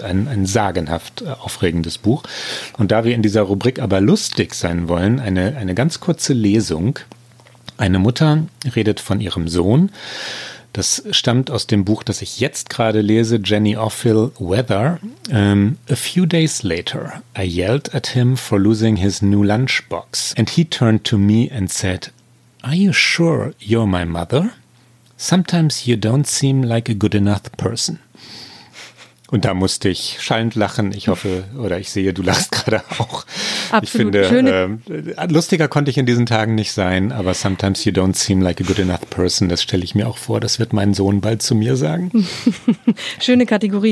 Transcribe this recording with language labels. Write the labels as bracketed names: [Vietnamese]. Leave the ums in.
[German] Ein, ein sagenhaft aufregendes Buch. Und da wir in dieser Rubrik aber lustig sein wollen, eine, eine ganz kurze Lesung. Eine Mutter redet von ihrem Sohn. Das stammt aus dem Buch, das ich jetzt gerade lese, Jenny Offill Weather. [English] Um, a few days later, I yelled at him for losing his new lunchbox. And he turned to me and said, Are you sure you're my mother? Sometimes you don't seem like a good enough person. [German] Und da musste ich schallend lachen. Ich hoffe, oder ich sehe, du lachst gerade auch. Absolut. Ich finde, äh, lustiger konnte ich in diesen Tagen nicht sein, aber [English] sometimes you don't seem like a good enough person. [German] Das stelle ich mir auch vor. Das wird mein Sohn bald zu mir sagen. Schöne Kategorie.